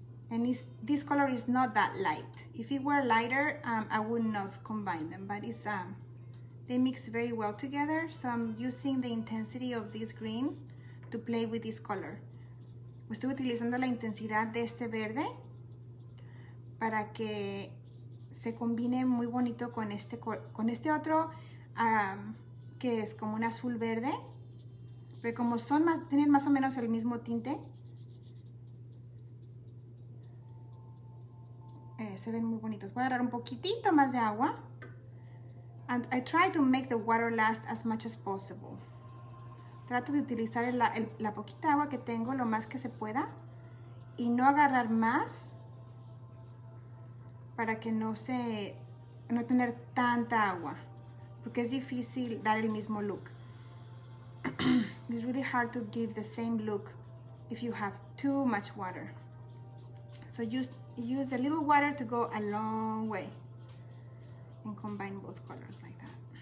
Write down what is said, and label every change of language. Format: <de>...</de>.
<en>And this color is not that light. If it were lighter, I wouldn't have combined them, but it's, they mix very well together. So I'm using the intensity of this green to play with this color.</en> <es>Estoy utilizando la intensidad de este verde para que se combine muy bonito con este otro, que es como un azul verde, pero como son más, tienen más o menos el mismo tinte, se ven muy bonitos. Voy a agarrar un poquitito más de agua.</es> <en>And I try to make the water last as much as possible.</en> <es>Trato de utilizar la poquita agua que tengo lo más que se pueda y no agarrar más, para que no tener tanta agua, porque es difícil dar el mismo look.</es> <en>It's really hard to give the same look if you have too much water. So use a little water to go a long way and combine both colors like that.</en>